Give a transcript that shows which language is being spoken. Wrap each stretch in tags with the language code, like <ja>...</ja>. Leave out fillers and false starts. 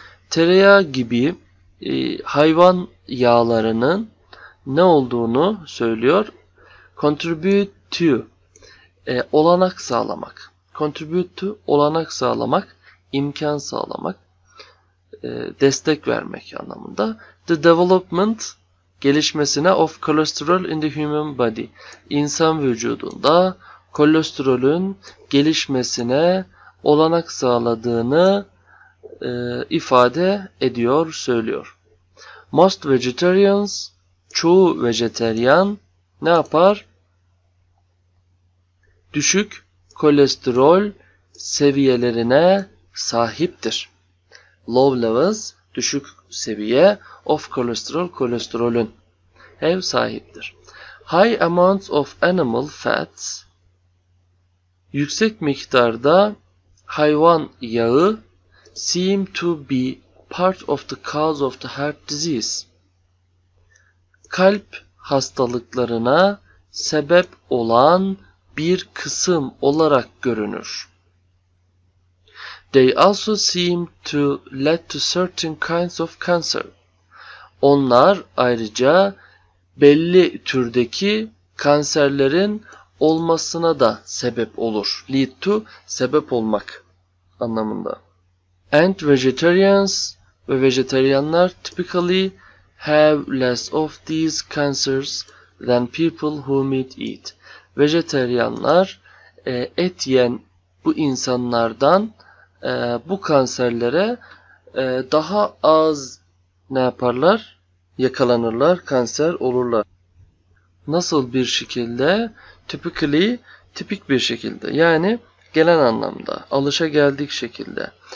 <tr>Tereyağı gibi hayvan yağlarının ne olduğunu söylüyor. Contribute to, olanak sağlamak. Contribute to, olanak sağlamak, imkan sağlamak, destek vermek anlamında.</tr> <en>The development,</en> <tr>gelişmesine</tr> <en>of cholesterol in the human body.</en> <tr>İnsan vücudunda kolesterolün gelişmesine olanak sağladığını ifade ediyor, söylüyor.</tr> <en>Most vegetarians,</en> <tr>çoğu vejeteryan ne yapar? Düşük kolesterol seviyelerine sahiptir.</tr> <en>Low levels,</en> <tr>düşük seviye</tr> <en>of cholesterol,</en> <tr>kolesterolün ev sahiptir.</tr> <en>High amounts of animal fats,</en> <tr>yüksek miktarda hayvan yağı</tr> <en>seem to be part of the cause of the heart disease.</en> <tr>Kalp hastalıklarına sebep olan bir kısım olarak görünür.</tr> <en>They also seem to lead to certain kinds of cancer.</en> <tr>Onlar ayrıca belli türdeki kanserlerin olmasına da sebep olur. Lead to, sebep olmak anlamında.</tr> <en>And vegetarians</en> <tr>ve vejeteryanlar</tr> <en>typically have less of these cancers than people who meat eat.</en> <tr>Vejeteryanlar et yiyen bu insanlardan bu kanserlere daha az ne yaparlar? Yakalanırlar, kanser olurlar. Nasıl bir şekilde? Typically, tipik bir şekilde. Yani gelen anlamda, alışa geldik şekilde.</tr>